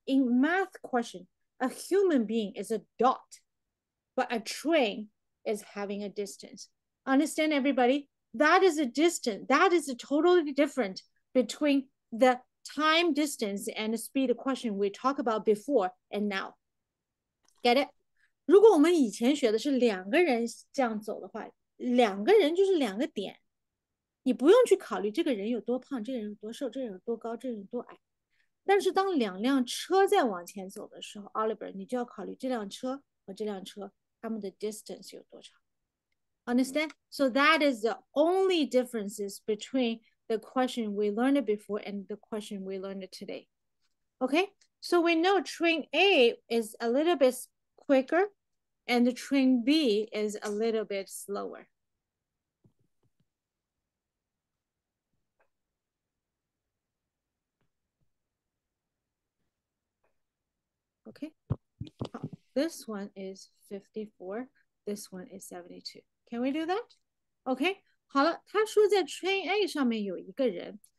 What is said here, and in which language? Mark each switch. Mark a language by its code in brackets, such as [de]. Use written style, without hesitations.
[en] In math question, a human being is a dot, but a train is having a distance. Understand, everybody? That is a distance. That is a totally different between the time distance and the speed question we talk about before and now. Get it? [zh] 如果我们以前学的是两个人这样走的话，两个人就是两个点，你不用去考虑这个人有多胖，这个人有多瘦，这个人有多高，这个人有多矮。但是当两辆车在往前走的时候，Oliver，你就要考虑这辆车和这辆车它们的 distance 有多长。 [en] Understand? So that is the only differences between the question we learned before and the question we learned today. Okay? So we know train A is a little bit quicker and the train B is a little bit slower. Okay, this one is 54, this one is 72. Can we do that? [zh] Okay, 好了，他说在 train A 上面有一个人.